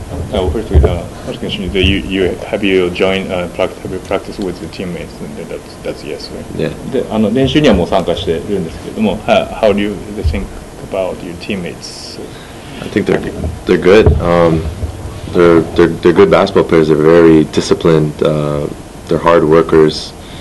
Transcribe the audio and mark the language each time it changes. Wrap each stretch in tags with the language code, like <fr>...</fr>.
<en>First, with first question is that you have you joined have you practiced with the teammates? That's yes, right? Yeah.</en> <ja>で、あの、練習にはもう参加してるんですけども、 how do you think about your teammates?</ja> <en>I think they're good. They're good basketball players. They're very disciplined. They're hard workers.</en>